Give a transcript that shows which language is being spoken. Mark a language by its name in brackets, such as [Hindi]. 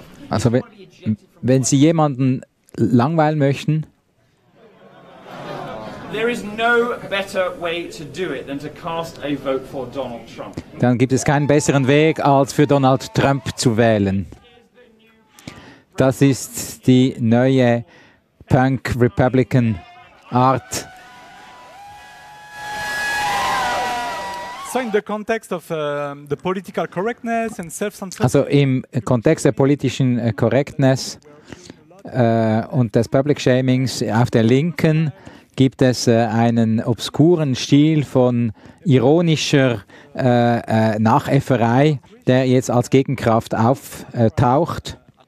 [German] Also, wenn Sie jemanden langweilen möchten, [English] there is no better way to do it than to cast a vote for Donald Trump. [German] Dann gibt es keinen besseren Weg, als für Donald Trump zu wählen. Das ist die neue Punk Republican Art. [English] So in the context of the political correctness and self-censorship. [German] Also im Kontext der politischen Korrektness und des Public Shamings auf der Linken gibt es einen obskuren Stil von ironischer Nachäfferei, der jetzt als Gegenkraft auftaucht.